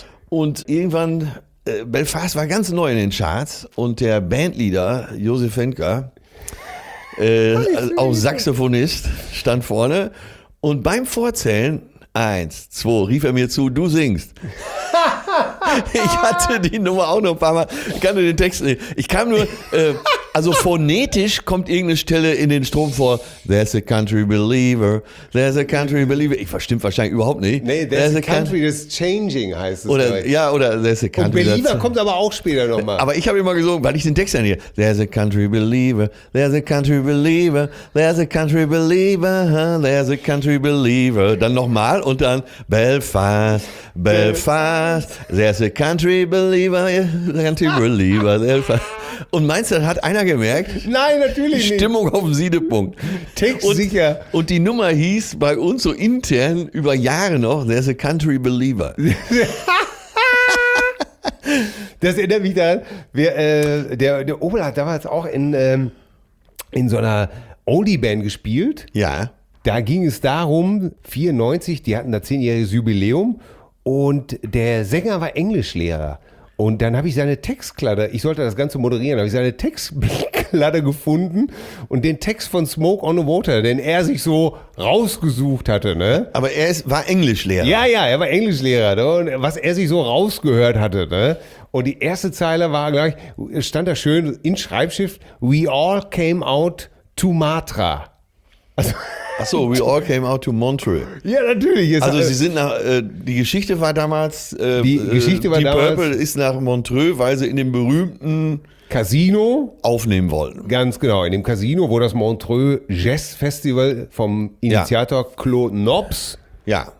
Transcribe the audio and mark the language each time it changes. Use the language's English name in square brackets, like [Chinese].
[German] Und irgendwann, Belfast war ganz neu in den Charts und der Bandleader Josef Henker, auch Saxophonist, stand vorne und beim Vorzählen, 1, 2, rief er mir zu, du singst. Ich hatte die Nummer auch noch ein paar Mal. Ich kann nur den Text nicht. Ich kam nur, also phonetisch kommt irgendeine Stelle in den Strom vor. [English] There's a country believer. There's a country believer. [German] Ich verstimmt wahrscheinlich überhaupt nicht. Nee, [English] there's a country that's changing [German] heißt es. Oder, gleich. Ja, oder [English] there's a country. [German] Und believer kommt aber auch später nochmal. Aber ich habe immer gesungen, weil ich den Text ja nicht. [English] There's a country believer. There's a country believer. There's a country believer. There's a country believer. [German] Dann nochmal und dann Belfast. [English] Belfast, there's a country believer, country believer, Belfast. [German] Und meinst du, hat einer gemerkt? Nein, natürlich nicht. Stimmung auf dem Siedepunkt. Text sicher. Und die Nummer hieß bei uns so intern über Jahre noch, [English] there's a country believer. [German] Das erinnert mich daran, der Opel hat damals auch in so einer Oldie-Band gespielt. Ja. Da ging es darum, 94, die hatten da 10-jähriges Jubiläum und der Sänger war Englischlehrer. Und dann habe ich seine Textkladder, ich sollte das Ganze moderieren, habe ich seine Textkladder gefunden und den Text von Smoke on the Water, den er sich so rausgesucht hatte. Ne? Aber er ist, war Englischlehrer. Ja, ja, er war Englischlehrer. Ne? Und was er sich so rausgehört hatte. Ne? Und die erste Zeile war gleich, stand da schön in Schreibschrift, [English] we all came out to Matra. [German] Also, ach so, [English] we all came out to Montreal. [German] Ja, natürlich. Also sie sind nach, die Geschichte war damals, die Geschichte war die damals, Purple ist nach Montreal, weil sie in dem berühmten Casino aufnehmen wollten. Ganz genau, in dem Casino, wo das Montreal Jazz Festival vom Initiator, ja, Claude Nobs, ja,